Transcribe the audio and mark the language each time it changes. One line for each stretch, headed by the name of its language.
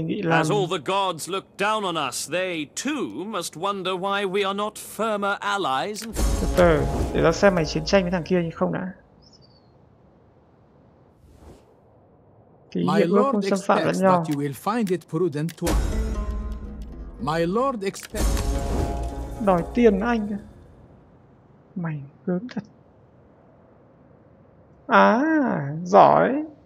English: As all the gods look down on us, they too must wonder why we are not firmer allies.
Vietnamese: Để tao xem mày chiến tranh với thằng kia như không đã.
English: My lord expects that you will find it prudent to. My lord expects.
Vietnamese: Đòi tiền anh. Mày gớm thật. À, giỏi.